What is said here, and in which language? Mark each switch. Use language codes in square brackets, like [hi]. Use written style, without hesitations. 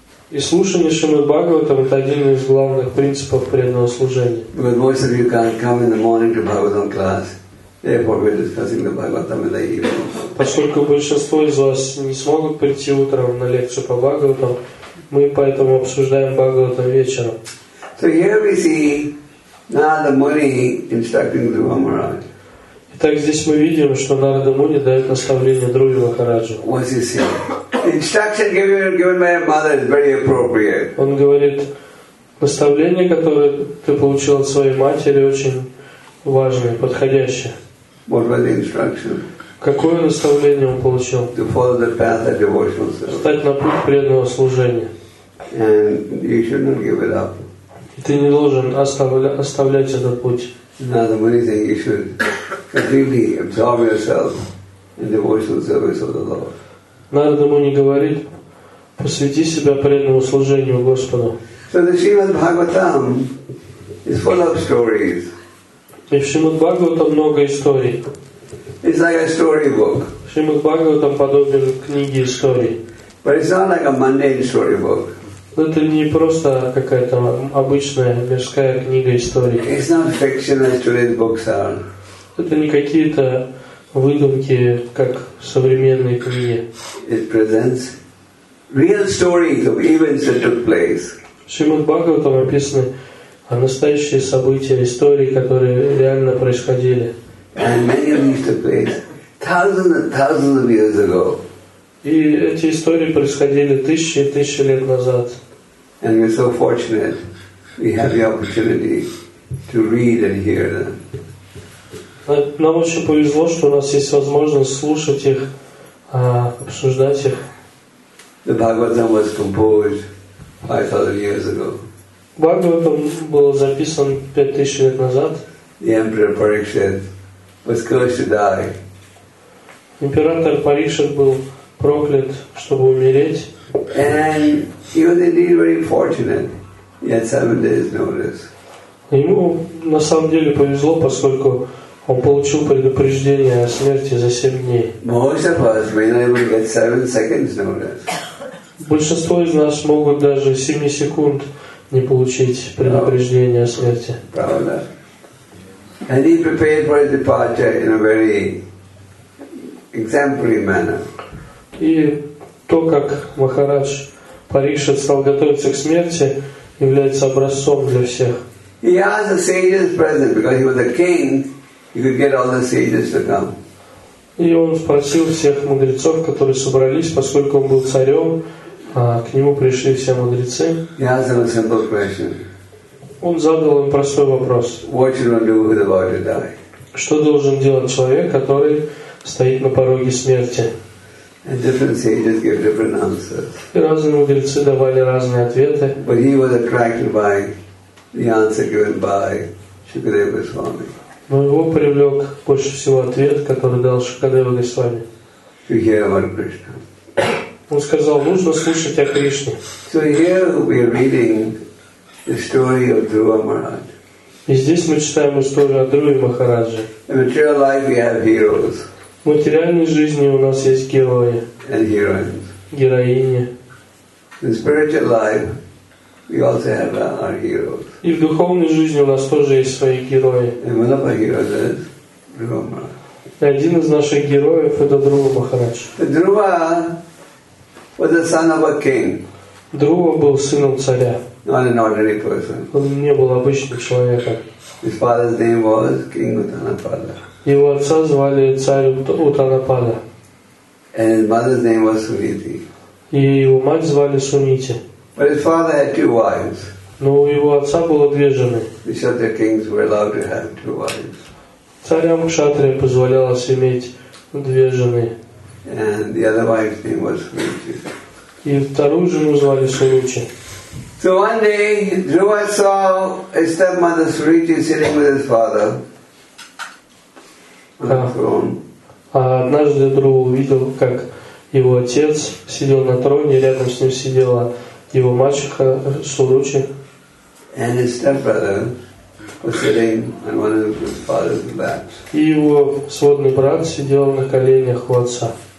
[ru] И слушание Шримад Бхагаватам — это один из главных принципов преданного служения. [en] Because most of you can't come in the morning to Bhagavatam class. Therefore, we're discussing the Bhagavatam in the evening. [ru] Поскольку большинство из вас не смогут прийти утром на лекцию по Бхагаватам, мы поэтому обсуждаем Бхагаватам вечером. [en] So here we see Narada Muni instructing Dhruva Maharaj. [ru] Итак, здесь мы видим, что Нарада Муни дает наставление Друве Махараджу. [en] What's he saying? Instruction given by a mother is very appropriate. [ru] Он говорит, наставление, которое ты получил от своей матери, очень важное, подходящее. [en] What was the instruction? [ru] Какое наставление он получил? [en] To follow the path of devotional service. [ru] Встать на путь преданного служения. [en] And you shouldn't give it up. [ru] Ты не должен оставлять этот путь. [en] Now the main thing, you should completely absorb yourself in devotional service of the Lord. [ru] Нарада Муни говорит, посвяти себя преданному служению Господу. [en] So the Srimad Bhagavatam is full of stories. [ru] И в Шримад Бхагаватам много историй. [en] It's like a storybook. [ru] Шримад Бхагаватам подобен книге историй. [en] But it's not like a mundane storybook. [ru] Но это не просто какая-то обычная мирская книга историй. [en] It's not fiction as today's books are. [ru] Это не какие-то выдумки, как современные книги. [en] It presents real stories of events that took place. [ru] В Шримад Бхагаватам описаны настоящие события, истории, которые реально происходили. [en] And many of these took place thousands and thousands of years ago. [ru] И эти истории происходили тысячи и тысячи лет назад. [en] And we're so fortunate we have the opportunity to read and hear them. [ru] Нам очень повезло, что у нас есть возможность слушать их, обсуждать их. [en] The Bhagavatam was composed 5,000 years ago. [ru] Бхагаватам был записан 5,000 лет назад. [en] The Emperor Parikshit was cursed to die. [ru] Император Парикшит был проклят, чтобы умереть. [en] And he was indeed very fortunate. He had 7 days' notice. [ru] Ему на самом деле повезло, поскольку он получил предупреждение о смерти за 7 дней. [en] Most of us may not even get 7 seconds' notice. [ru] Большинство из нас могут даже 7 секунд не получить предупреждение о смерти. Правда. [en] And he prepared for his departure in a very exemplary manner. [ru] И то, как Махарадж Парикшит стал готовиться к смерти, является образцом для всех. [en] He asked the sages present, because he was a king, he could get all the sages to come. [ru] И он спросил всех мудрецов, которые собрались, поскольку он был царем, к нему пришли все мудрецы. [en] He asked them a simple question. [ru] Он задал им простой вопрос. [en] What should one do who is about to die? [ru] Что должен делать человек, который стоит на пороге смерти? [en] And different sages give different answers. [ru] И разные мудрецы давали разные ответы. [en] But he was attracted by the answer given by Shukadeva Goswami. [ru] Но его привлек больше всего ответ, который дал Шукадева Госвами. [en] To hear about Krishna. [ru] Он сказал, нужно слушать о Кришне. [en] So here we are reading the story of Dhruva Maharaj. [ru] И здесь мы читаем историю о Друве Махарадже. [en] In material life we have heroes. [ru] В материальной жизни у нас есть герои. [en] And heroines. [ru] Героини. [en] In spiritual life we also have our heroes. [ru] И в духовной жизни у нас тоже есть свои герои. [en] And one of our heroes is Dhruva Maharaj. [ru] И один из наших героев это Друва Махарадж. [en] Dhruva was the son of a king. [ru] Друва был сыном царя. [en] Not an ordinary person. [ru] Он не был обычным человеком. [en] His father's name was King Uttanapada. [ru] Его отца звали царь Уттанапада. [en] And his mother's name was Suniti. [ru] И его мать звали Сунити. [en] But his father had 2 wives. [ru] Но у его отца было 2 жены. [en] The Kshatriya kings were allowed to have 2 wives. [ru] Царям кшатрия позволялось иметь 2 жены. [en] And the other wife's name was Suruchi. [ru] И вторую жену звали Суручи. [en] So one day, Dhruva saw his stepmother Suruchi sitting with his father on the throne. [ru] А однажды Друва увидел, как его отец сидел на троне, рядом с ним сидела его мачеха Суручи. [en] And his stepbrother was sitting on one of his father's laps. [ru] И его сводный брат сидел на коленях у отца.